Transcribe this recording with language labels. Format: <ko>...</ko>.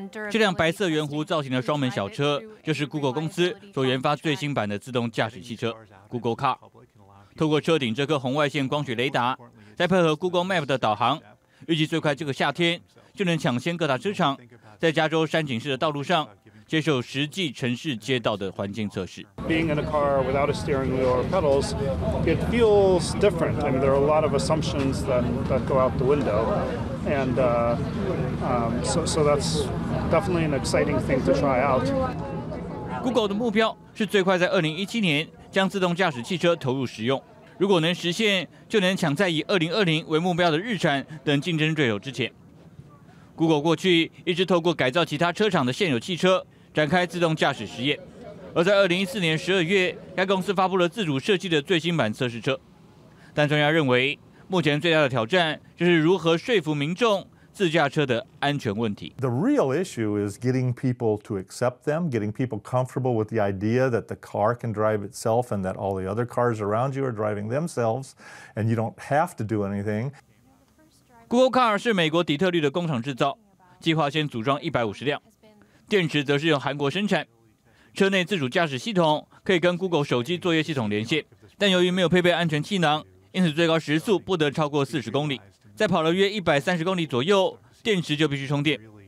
<zh>这辆白色圆弧造型的双门小车，就是 Google 公司所研发最新版的自动驾驶汽车 Google Car。透过车顶这颗红外线光学雷达，再配合 Google Map 的导航，预计最快这个夏天。就能抢先各大车厂，在加州山景式的道路上接受实际城市街道的环境测试。</zh> <en>Being in a car without a steering wheel or pedals, it feels different. I mean, there are a lot of assumptions that go out the window, and so that's definitely an exciting thing to try out.</en> <zh>Google 的目标是最快在2017年将自动驾驶汽车投入使用，如果能实现，就能抢在以2020为目标的日产等竞争对手之前。 Google 过去一直透过改造其他车厂的现有汽车展开自动驾驶实验，而在2014年12月，该公司发布了自主设计的最新版测试车。但专家认为，目前最大的挑战就是如何说服民众自驾车的安全问题。</zh> <en>The real issue is getting people to accept them, getting people comfortable with the idea that the car can drive itself and that all the other cars around you are driving themselves, and you don't have to do anything.</en> <zh>Google Car 是美国底特律的工厂制造，计划先组装150辆，电池则是由韩国生产。车内自主驾驶系统可以跟 Google 手机作业系统连线，但由于没有配备安全气囊，因此最高时速不得超过40公里。在跑了约130公里左右，电池就必须充电。</zh>